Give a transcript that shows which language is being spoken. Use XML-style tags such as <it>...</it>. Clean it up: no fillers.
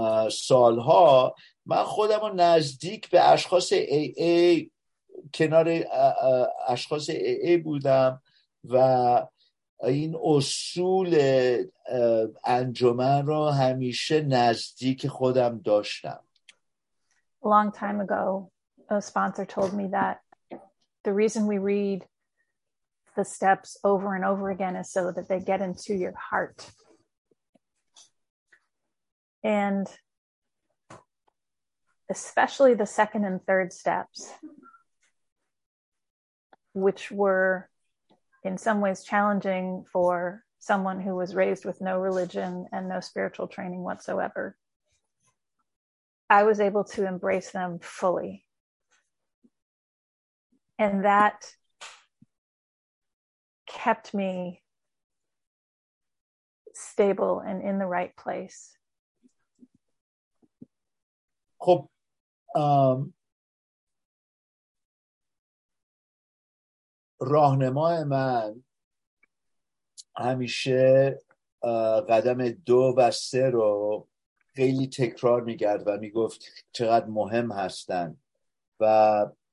<fa>سالها من خودم رو نزدیک به اشخاص AA کنار اشخاص AA بودم و این اصول انجمن رو همیشه نزدیک خودم داشتم.</fa> <en>Long time ago, a sponsor told me that the reason we read the steps over and over again is so that they get into your heart. And especially the second and third steps, which were in some ways challenging for someone who was raised with no religion and no spiritual training whatsoever, I was able to embrace them fully. And that kept me stable and in the right place.</en> <fa>خب راهنمای من همیشه قدم دو و سه رو خیلی تکرار میگرد و میگفت چقدر مهم هستن و</fa>